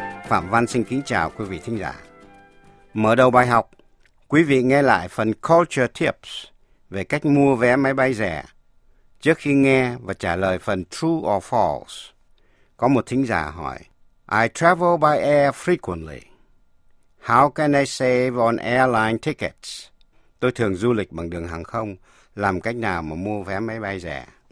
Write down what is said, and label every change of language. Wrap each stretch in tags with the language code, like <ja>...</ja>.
<vi>Phạm Văn xin kính chào quý vị thính giả. Mở đầu bài học, quý vị nghe lại phần Culture Tips về cách mua vé máy bay rẻ. Trước khi nghe và trả lời phần True or False, có một thính giả hỏi, I travel by air frequently.</vi> <en>How can I save on airline tickets?</en> <vi>Tôi thường du lịch bằng đường hàng không, làm cách nào mà mua vé máy bay rẻ?</vi>